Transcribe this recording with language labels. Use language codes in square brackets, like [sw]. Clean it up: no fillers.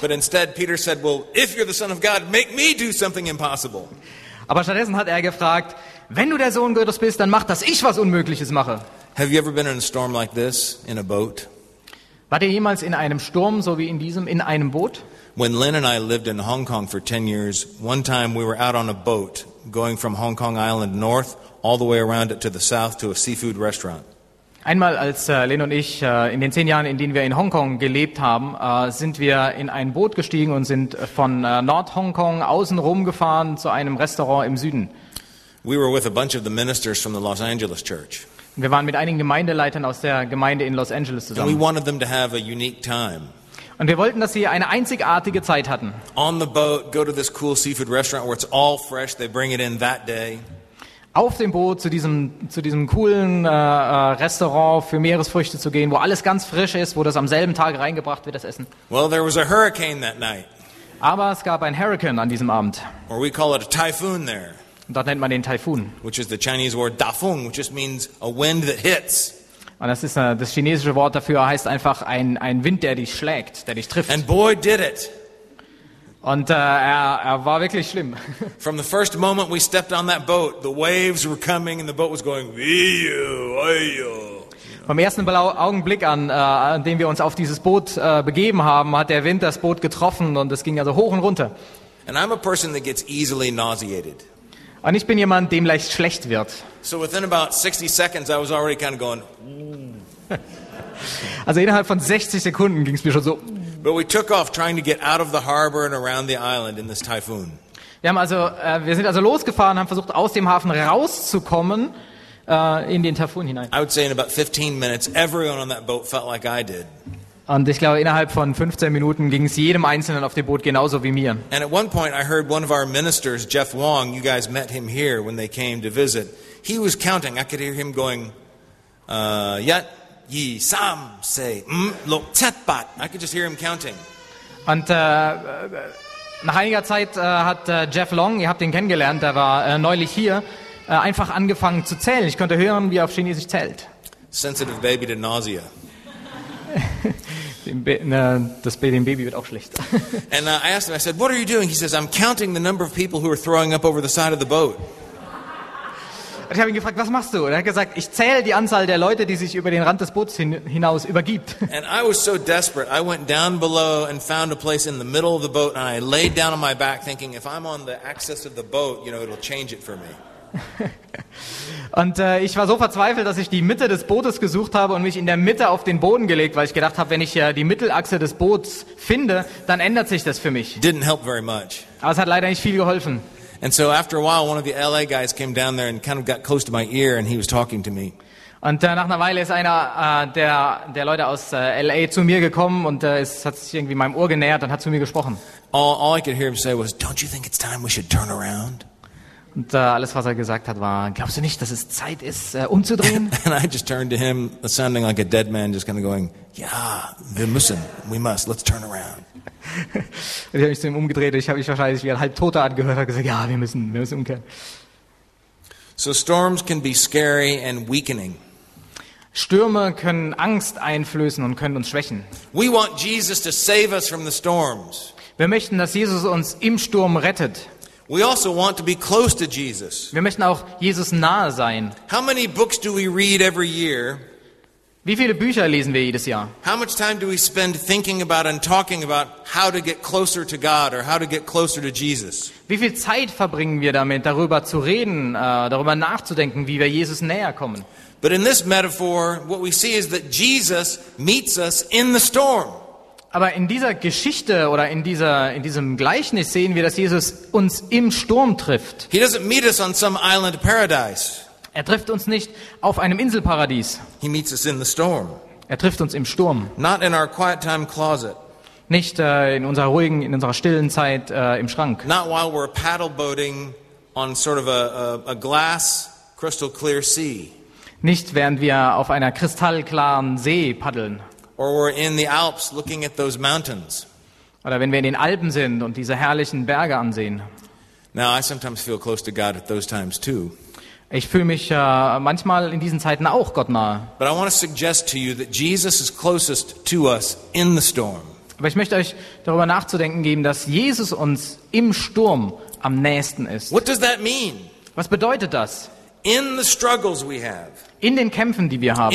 [en] But instead Peter said, well, if you're the Son of God, make me do something impossible. [de] Aber stattdessen hat er gefragt, wenn du der Sohn Gottes bist, dann mach, dass ich was Unmögliches mache. [en] Have you ever been in a storm like this, in a boat? [de] Wart ihr jemals in einem Sturm, so wie in diesem, in einem Boot? [en] When Lynn and I lived in Hong Kong for 10 years, one time we were out on a boat going from Hong Kong Island north all the way around it to the south to a seafood restaurant. [de] Einmal, als Lynn und ich in den 10 Jahren, in denen wir in Hongkong gelebt haben, sind wir in ein Boot gestiegen und sind von Nord-Hongkong außen rum gefahren zu einem Restaurant im Süden. [en] We were with a bunch of the ministers from the Los Angeles Church. [de] Wir waren mit einigen Gemeindeleitern aus der Gemeinde in Los Angeles zusammen. [en] And we wanted them to have a unique time. [de] Und wir wollten, dass sie eine einzigartige Zeit hatten. [en] On the boat, go to this cool seafood restaurant where it's all fresh, they bring it in that day. [de] auf dem Boot zu diesem coolen Restaurant für Meeresfrüchte zu gehen, wo alles ganz frisch ist, wo das am selben Tag reingebracht wird, das Essen. [en] Well, there was a hurricane that night. [de] Aber es gab ein Hurricane an diesem Abend. [en] Or we call it a typhoon there. [de] Und das nennt man den Taifun. [en] Which is the Chinese word dafeng, which just means a wind that hits. [de] Und das ist das chinesische Wort dafür, heißt einfach ein Wind, der dich schlägt, der dich trifft. [en] And boy did it. [de] Und er war wirklich schlimm. [en] From the first moment we stepped on that boat, the waves were coming and the boat was going wee-yo, wee-yo. [de] Vom ersten Augenblick an, an dem wir uns auf dieses Boot begeben haben, hat der Wind das Boot getroffen und es ging also hoch und runter. [en] And I'm a person that gets easily nauseated. [de] Und ich bin jemand, dem leicht schlecht wird. [en] So within about 60 seconds I was already kind of going. [de] Also innerhalb von 60 Sekunden ging es mir schon so. [en] But we took off trying to get out of the harbor and around the island in this typhoon. [de] Wir sind also losgefahren, haben versucht aus dem Hafen rauszukommen in den Taifun hinein. [en] I would say in about 15 minutes everyone on that boat felt like I did. [de] Und ich glaube, innerhalb von 15 Minuten ging es jedem Einzelnen auf dem Boot genauso wie mir. [en] And at one point I heard one of our ministers, Jeff Wong, you guys met him here when they came to visit. He was counting. I could hear him going, [yue] yat, yi, sam, se, lo, tet, bat. [en] I could just hear him counting. [de] Und nach einiger Zeit hat Jeff Long, ihr habt ihn kennengelernt, der war neulich hier, einfach angefangen zu zählen. Ich konnte hören, wie er auf Chinesisch zählt. [en] Sensitive baby to nausea. [de] Dem Baby wird auch schlecht. [en] And I asked him, I said, what are you doing? He says, I'm counting the number of people who are throwing up over the side of the boat. [de] Ich habe ihn gefragt, was machst du? Und er hat gesagt, ich zähle die Anzahl der Leute, die sich über den Rand des Boots hinaus übergibt. [en] And I was so desperate. I went down below and found a place in the middle of the boat and I laid down on my back thinking, if I'm on the axis of the boat, you know, it'll change it for me. [de] Und ich war so verzweifelt, dass ich die Mitte des Bootes gesucht habe und mich in der Mitte auf den Boden gelegt, weil ich gedacht habe, wenn ich die Mittelachse des Boots finde, dann ändert sich das für mich. [en] Didn't help very much. [de] Aber es hat leider nicht viel geholfen. [en] And so after a while, one of the LA guys came down there and kind of got close to my ear and he was talking to me. [de] Und nach einer Weile ist einer der Leute aus LA zu mir gekommen und hat sich irgendwie meinem Ohr genähert und hat zu mir gesprochen. [en] All I could hear him say was, don't you think it's time we should turn around? [de] Und alles, was er gesagt hat, war, glaubst du nicht, dass es Zeit ist, umzudrehen? [en] And I just turned to him, sounding like a dead man, just kind of going, yeah, we must, let's turn around. [de] Und ich habe mich zu ihm umgedreht, ich habe mich wahrscheinlich wie ein Halbtoter angehört, habe gesagt, ja, wir müssen umkehren. [en] So storms can be scary and weakening. [de] Stürme können Angst einflößen und können uns schwächen. [en] We want Jesus to save us from the storms. [de] Wir möchten, dass Jesus uns im Sturm rettet. [en] We also want to be close to Jesus. [de] Wir möchten auch Jesus nahe sein. [en] How many books do we read every year? [de] Wie viele Bücher lesen wir jedes Jahr? [en] How much time do we spend thinking about and talking about how to get closer to God or how to get closer to Jesus? [de] Wie viel Zeit verbringen wir damit, darüber zu reden, darüber nachzudenken, wie wir Jesus näher kommen? [en] But in this metaphor, what we see is that Jesus meets us in the storm. [de] Aber in dieser Geschichte oder in diesem Gleichnis sehen wir, dass Jesus uns im Sturm trifft. [en] He doesn't meet us on some island paradise. [de] Er trifft uns nicht auf einem Inselparadies. [en] He meets us in the storm. [de] Er trifft uns im Sturm. [en] Not in our quiet time closet. [de] Nicht in unserer stillen Zeit im Schrank. [en] Not while we're paddle boating on sort of a glass crystal clear sea. [de] Nicht während wir auf einer kristallklaren See paddeln. [en] Or we're in the Alps looking at those mountains. [de] Oder wenn wir in den Alpen sind und diese herrlichen Berge ansehen. [en] Now I sometimes feel close to God at those times too. [de] Ich fühle mich manchmal in diesen Zeiten auch Gott nahe. [en] But I want to suggest to you that Jesus is closest to us in the storm. [de] Aber ich möchte euch darüber nachzudenken geben, dass Jesus uns im Sturm am nächsten ist. [en] What does that mean? [de] Was bedeutet das? [en] In the struggles we have. [de] In den Kämpfen, die wir haben.